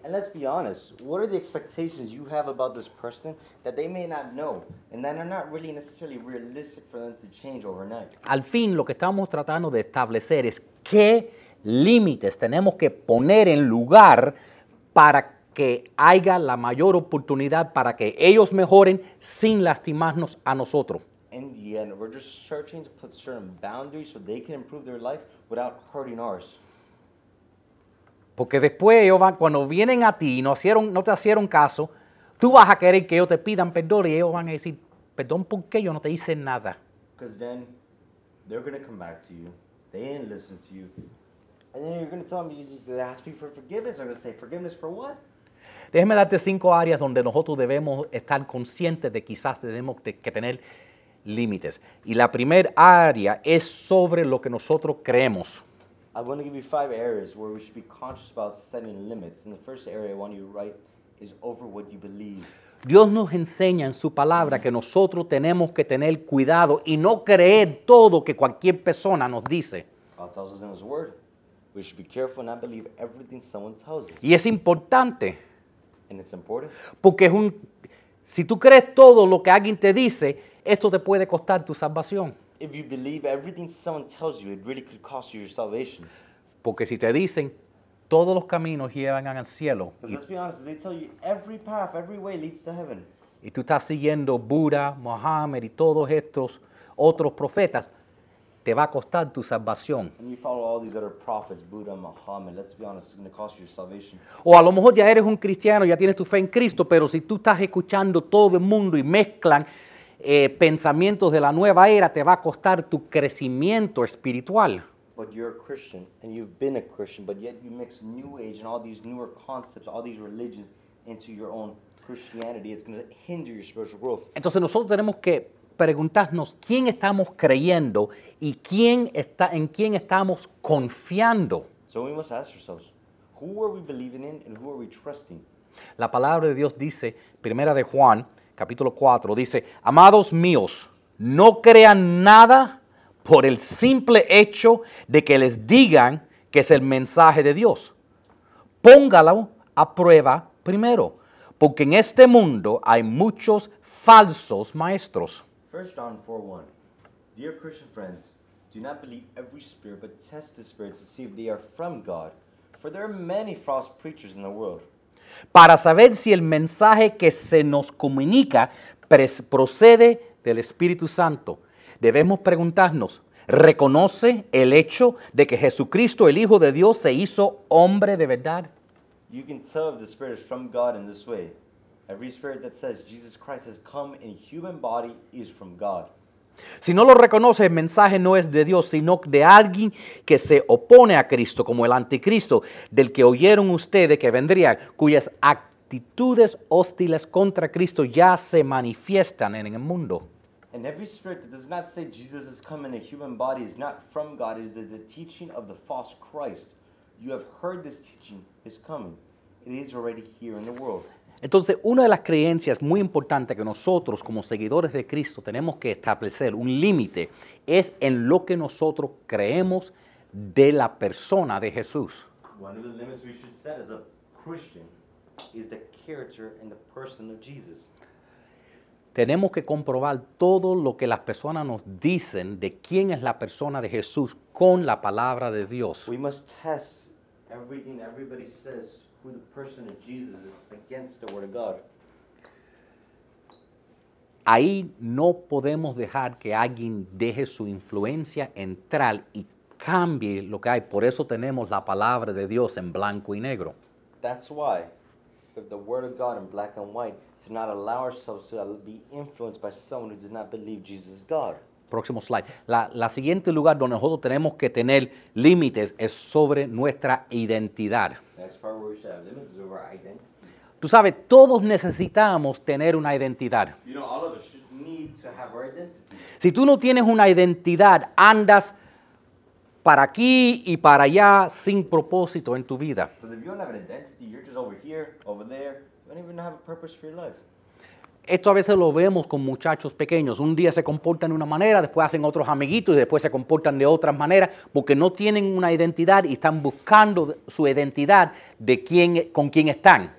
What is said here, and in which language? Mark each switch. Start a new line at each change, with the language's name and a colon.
English: And let's be honest, what are the expectations you have about this person that they may not know and that are not really necessarily realistic for them to change overnight?
Spanish: Al fin, lo que estamos tratando de establecer es qué límites tenemos que poner en lugar para que haya la mayor oportunidad para que ellos mejoren sin lastimarnos a nosotros.
English: In the end, we're just searching to put certain boundaries so they can improve their life without hurting ours.
Spanish: Porque después ellos van, cuando vienen a ti y no te hicieron caso, tú vas a querer que ellos te pidan perdón y ellos van a decir, perdón, ¿por qué yo no te hice nada?
English: Because then they're going to come back to you, they didn't listen to you, and then you're going to tell them you need to ask me for forgiveness. They're going to say, forgiveness for what?
Spanish: Déjeme darte cinco áreas donde nosotros debemos estar conscientes de quizás tenemos que tener límites. Y la primera área es sobre lo que nosotros creemos.
English: I want to give you five areas where we should be conscious about setting limits. And the first area I want you to write is over what you believe.
Spanish: Dios nos enseña en su palabra que nosotros tenemos que tener cuidado y no creer todo que cualquier persona nos dice.
English: God tells us in his word, we should be careful and not believe everything someone tells us.
Spanish: Y es importante.
English: And it's important.
Spanish: Porque es un, si tú crees todo lo que alguien te dice, esto te puede costar tu salvación.
English: If you believe everything someone tells you, it really could cost you your salvation.
Spanish: Porque si te dicen, todos los caminos llevan al cielo.
English: Because let's be honest, they tell you every path, every way leads to heaven.
Spanish: Y tú estás siguiendo Buda, Mohammed y todos estos otros profetas, te va a costar tu salvación.
English: And you follow all these other prophets, Buddha, Mohammed, let's be honest, it's going to cost you your salvation.
Spanish: O a lo mejor ya eres un cristiano, ya tienes tu fe en Cristo, pero si tú estás escuchando todo el mundo y mezclan pensamientos de la nueva era, te va a costar tu crecimiento espiritual.
English: But you're a Christian and you've been a Christian, but yet you mix new age and all these newer concepts, all these religions into your own Christianity. It's going to hinder your spiritual growth.
Spanish: Entonces nosotros tenemos que preguntarnos quién estamos creyendo y quién está, en quién estamos confiando.
English: So we must ask ourselves, who are we believing in and who are we trusting?
Spanish: La palabra de Dios dice, primera de Juan, capítulo 4, dice, amados míos, no crean nada por el simple hecho de que les digan que es el mensaje de Dios. Póngalo a prueba primero, porque en este mundo hay muchos falsos maestros.
English: 1 John 4:1. Dear Christian friends, do not believe every spirit, but test the spirits to see if they are from God, for there are many false preachers in the world.
Spanish: Para saber si el mensaje que se nos comunica procede del Espíritu Santo, debemos preguntarnos, ¿reconoce el hecho de que Jesucristo, el Hijo de Dios, se hizo hombre de verdad?
English: You can tell if the Spirit is from God in this way. Every spirit that says Jesus Christ has come in human body is from God.
Spanish: Si no lo reconoce, el mensaje no es de Dios, sino de alguien que se opone a Cristo, como el anticristo, del que oyeron ustedes que vendría, cuyas actitudes hostiles contra Cristo ya se manifiestan en el mundo.
English: And every spirit that does not say Jesus has come in a human body is not from God, it is the teaching of the false Christ. You have heard this teaching is coming. It is already here in the world.
Spanish: Entonces, una de las creencias muy importantes que nosotros, como seguidores de Cristo, tenemos que establecer un límite, es en lo que nosotros creemos de la persona de Jesús.
English: One of the limits we should set as a Christian is the character and the person of Jesus.
Spanish: Tenemos que comprobar todo lo que las personas nos dicen de quién es la persona de Jesús con la palabra de Dios.
English: We must test everything everybody says. Who the person of Jesus is against the word of God.
Spanish: Ahí no podemos dejar que alguien deje su influencia entrar y cambie lo que hay. Por eso tenemos la palabra de Dios en blanco y negro.
English: That's why, if the word of God in black and white, to not allow ourselves to be influenced by someone who does not believe Jesus is God.
Spanish: Próximo slide. La siguiente lugar donde nosotros tenemos que tener límites es sobre nuestra identidad.
English: Next part where we should have limits is over our identity.
Spanish: Tú sabes, todos necesitamos tener una identidad.
English: You know, all of us should need to have our identity.
Spanish: Si tú no tienes una identidad, andas para aquí y para allá sin propósito en tu vida.
English: Because if you don't have an identity, you're just over here, over there. You don't even have a purpose for your life.
Spanish: Esto a veces lo vemos con muchachos pequeños. Un día se comportan de una manera, después hacen otros amiguitos y después se comportan de otras maneras porque no tienen una identidad y están buscando su identidad de quién, con quién están.